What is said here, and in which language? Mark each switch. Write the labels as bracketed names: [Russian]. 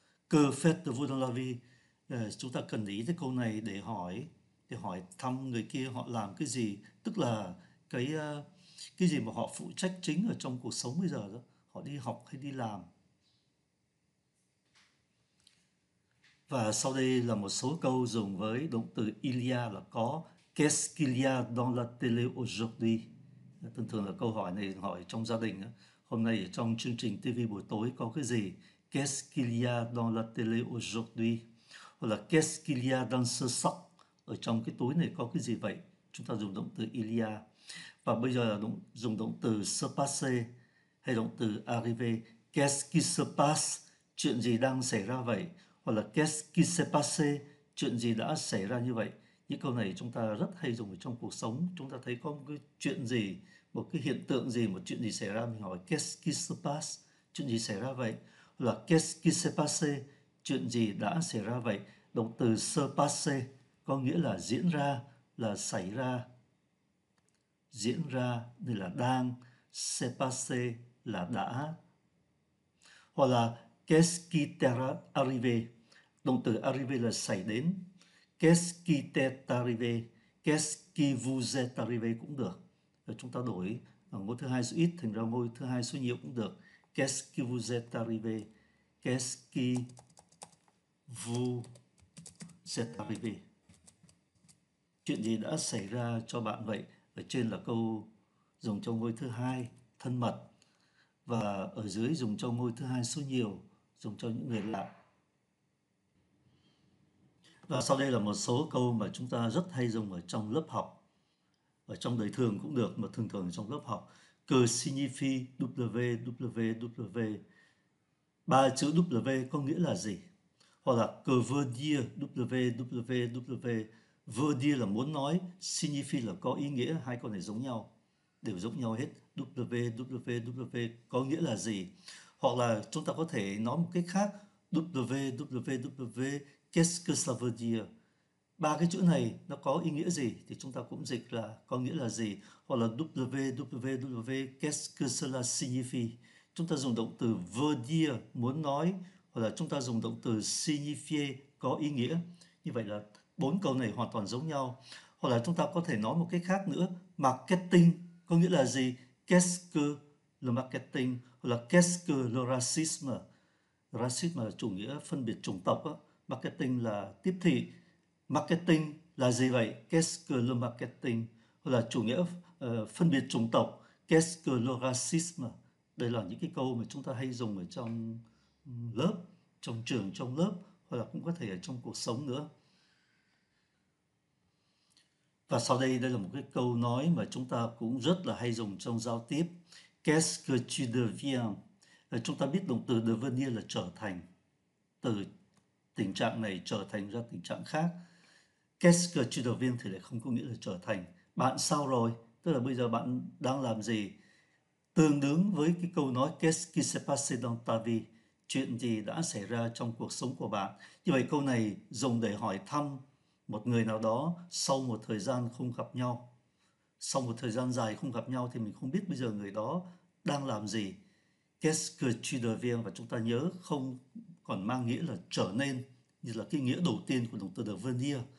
[French] Que faites-vous dans la vie, [Vietnamese] chúng ta cần ý tới câu này để hỏi thăm người kia họ làm cái gì, tức là cái gì mà họ phụ trách chính ở trong cuộc sống bây giờ đó, họ đi học hay đi làm. Và sau đây là một số câu dùng với động từ il y a, là có. [French] Qu'est-ce qu'il y a dans la télé aujourd'hui? [Vietnamese] Thường thường là câu hỏi này hỏi trong gia đình đó. Hôm nay trong chương trình TV buổi tối có cái gì? [French] Qu'est-ce qu'il y a dans la télé aujourd'hui? [Vietnamese] Hoặc là [French] qu'est-ce qu'il y a dans ce sac? [Vietnamese] Ở trong cái túi này có cái gì vậy? Chúng ta dùng động từ il y a. Và bây giờ là dùng động từ se passer hay động từ arriver. [French] Qu'est-ce qui se passe? [Vietnamese] Chuyện gì đang xảy ra vậy? Hoặc là [French] qu'est-ce qui s'est passé? [Vietnamese] Chuyện gì đã xảy ra như vậy? Những câu này chúng ta rất hay dùng trong cuộc sống. Chúng ta thấy có một cái chuyện gì, một cái hiện tượng gì, một chuyện gì xảy ra, mình hỏi [French] qu'est-ce qui se passe? [Vietnamese] Chuyện gì xảy ra vậy? Hoặc là [French] qu'est-ce qui s'est passé? [Vietnamese] Chuyện gì đã xảy ra vậy? Động từ se passer có nghĩa là diễn ra, là xảy ra. Diễn ra nên là đang, se passer là đã. Hoặc là [French] qu'est-ce qui t'est arrivé? [Vietnamese] Động từ arrivé là xảy đến. [French] Qu'est-ce qui t'est arrivé? Qu'est-ce qui vous est arrivé [Vietnamese] cũng được. Rồi chúng ta đổi ngôi thứ hai số ít thành ra ngôi thứ hai số nhiều cũng được. [French] Qu'est-ce qui vous est arrivé? Qu'est-ce qui vous est arrivé? [Vietnamese] Chuyện gì đã xảy ra cho bạn vậy? Ở trên là câu dùng cho ngôi thứ hai thân mật. Và ở dưới dùng cho ngôi thứ hai số nhiều, dùng cho những người lạ. Và sau đây là một số câu mà chúng ta rất hay dùng ở trong lớp học, ở trong đời thường cũng được, mà thường thường ở trong lớp học. [French] Que signifie www? [Vietnamese] Ba chữ W có nghĩa là gì? Hoặc là [French] que veut dire www? [Vietnamese] Veut dire là muốn nói, signifie là có ý nghĩa, hai câu này giống nhau, đều giống nhau hết. www có nghĩa là gì? Hoặc là chúng ta có thể nói một cách khác. [French] www qu'est-ce que ça veut dire? [Vietnamese] Ba cái chữ này nó có ý nghĩa gì? Thì chúng ta cũng dịch là có nghĩa là gì? [French] Hoặc là www qu'est-ce que cela signifie? [Vietnamese] Chúng ta dùng động từ veut dire muốn nói, hoặc là chúng ta dùng động từ signifier có ý nghĩa. Như vậy là bốn câu này hoàn toàn giống nhau. Hoặc là chúng ta có thể nói một cách khác nữa. Marketing có nghĩa là gì? [French] Qu'est-ce que le marketing? [Vietnamese] Hoặc là [French] qu'est-ce que le racisme? [Vietnamese] Racisme là chủ nghĩa phân biệt chủng tộc đó. Marketing là tiếp thị. Marketing là gì vậy? [French] Qu'est-ce que le marketing? [Vietnamese] Hoặc là chủ nghĩa phân biệt chủng tộc. Qu'est-ce que le racisme? Đây là những cái câu mà chúng ta hay dùng ở trong lớp, trong trường, trong lớp, hoặc là cũng có thể ở trong cuộc sống nữa. Và sau đây đây là một cái câu nói mà chúng ta cũng rất là hay dùng trong giao tiếp. [French] Qu'est-ce que tu deviens? [Vietnamese] Chúng ta biết động từ devenir là trở thành, từ tình trạng này trở thành ra tình trạng khác. [French] Qu'est-ce que tu deviens [Vietnamese] thì lại không có nghĩa là trở thành. Bạn sao rồi? Tức là bây giờ bạn đang làm gì? Tương đương với cái câu nói [French] qu'est-ce qui s'est passé dans ta vie? [Vietnamese] Chuyện gì đã xảy ra trong cuộc sống của bạn? Như vậy câu này dùng để hỏi thăm một người nào đó sau một thời gian không gặp nhau. Sau một thời gian dài không gặp nhau thì mình không biết bây giờ người đó đang làm gì. [French] Qu'est-ce que tu deviens? [Vietnamese] Và chúng ta nhớ không còn mang nghĩa là trở nên, như là cái nghĩa đầu tiên của động từ devenir.